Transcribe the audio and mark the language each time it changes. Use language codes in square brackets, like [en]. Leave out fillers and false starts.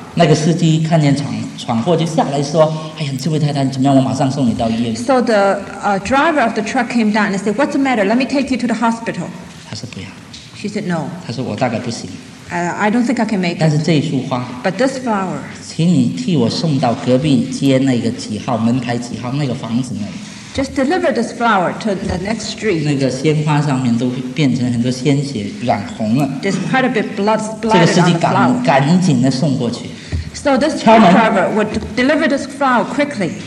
[zh] 那个司机看见闯祸就下来说，哎呀，这位太太怎么样，我马上送你到医院。 [en] So the driver of the truck came down and said, what's the matter? Let me take you to the hospital. [zh] 她说不要。 [en] She said no. [zh] 她说我大概不行。 [en] I don't think I can make it. [zh] 但是这一束花。 [en] But this flower. [zh] 请你替我送到隔壁街那个几号，门牌几号，那个房子那里。 [en] Just deliver this flower to the next street. [zh] 那个鲜花上面都变成很多鲜血染红了。 [en] There's quite a bit of blood splattered on the flower. [zh] 这个司机赶紧的送过去。 [en] So this driver would deliver this flower quickly.